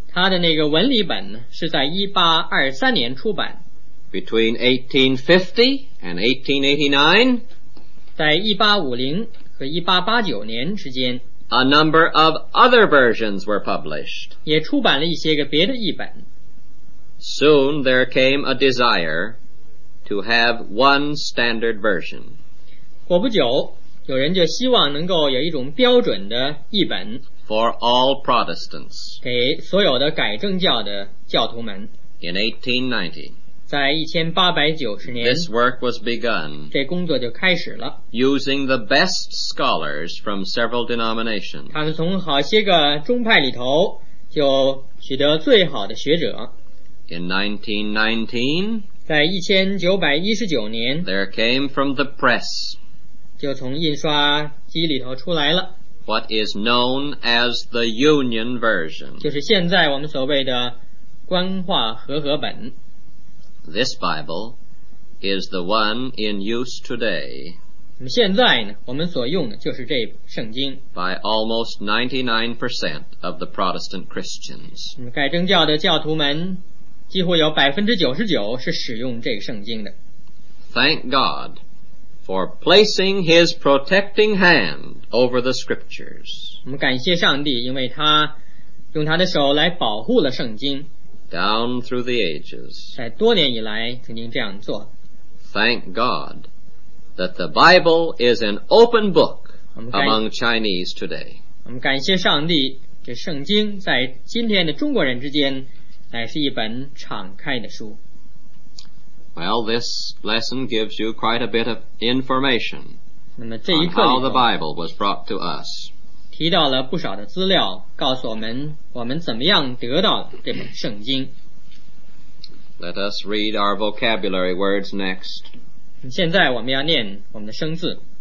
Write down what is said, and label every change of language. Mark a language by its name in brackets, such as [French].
[Chinese] 他的那个文理本是在1823年出版。 [English] Between 1850 and 1889, [Chinese] 在1850和1889年之间， [English] a number of other versions were published. [Chinese] 也出版了一些个别的译本。 [English] Soon there came a desire to have one standard version. [Chinese] 过不久，有人就希望能够有一种标准的译本。 [English] For all Protestants. [Chinese] 给所有的改正教的教徒们。 [English] In 1890. [Chinese] 在1890年。 [English] This work was begun. [Chinese] 这工作就开始了。 [English] Using the best scholars from several denominations. [Chinese] 他们从好些个宗派里头就取得最好的学者。 [English] In 1919, [Chinese] 在1919年, [English] there came from the press, [Chinese] 就从印刷机里头出来了, [English] what is known as the Union Version, [Chinese] 就是现在我们所谓的官话和合本。 [English] This Bible is the one in use today, [Chinese] 现在呢,我们所用的就是这圣经, [English] by almost 99% of the Protestant Christians. [Chinese] 改正教的教徒们几乎有 99% 是使用这个圣经的。 [English] Thank God for placing His protecting hand over the scriptures. [Chinese] 我们感谢上帝，因为他用他的手来保护了圣经。 [English] Down through the ages. [Chinese] 在多年以来曾经这样做。 [English] Thank God that the Bible is an open book among Chinese today. [Chinese] 我们感谢上帝，这圣经在今天的中国人之间乃是一本敞开的书。 [English] Well, this lesson gives you quite a bit of information. [Chinese] 那么这一课 [English] on how the Bible was brought to us. [Chinese] 提到了不少的资料，告诉我们我们怎么样得到这本圣经。 [English] Let us read our vocabulary words next. [Chinese] 现在我们要念我们的生字。